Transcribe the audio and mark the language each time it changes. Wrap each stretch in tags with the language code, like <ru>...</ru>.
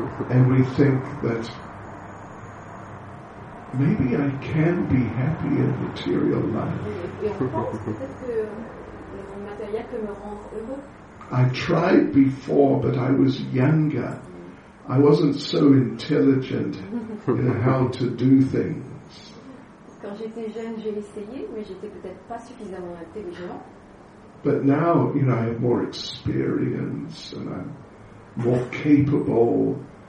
<en>And we think that maybe I can be happy in material life. I tried before, but I was younger. I wasn't so intelligent in how to do things.</en> <fr>Quand j'étais jeune, j'ai essayé, mais j'étais peut-être pas suffisamment intelligent.</fr> <en>But now, you know, I have more experience and I'm more capable.</en>